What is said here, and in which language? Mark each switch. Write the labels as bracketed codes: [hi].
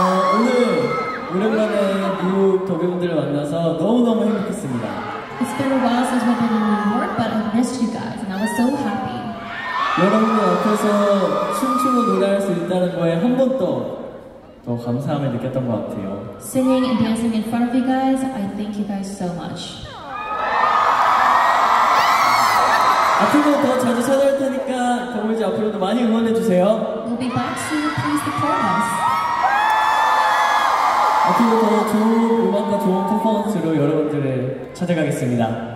[ko] 오늘 오랜만에 미국 독일분들을 만나서 너무너무 행복했습니다. [en] It's been a while since we've been in New York, but I missed you guys, and I was so happy. [ko] 여러분들 옆에서 춤추고 노래할 수 있다는 거에 한 번 더 감사함을 느꼈던 것 같아요. [en] Singing and dancing in front of you guys, I thank you guys so much. [ko] 앞으로 더 자주 찾아올 테니까 더블즈 앞으로도 많이 응원해 주세요. [en] We'll be back soon, please support us. [ko] 앞으로 더 좋은 음악과 좋은 퍼포먼스로 여러분들을 찾아가겠습니다.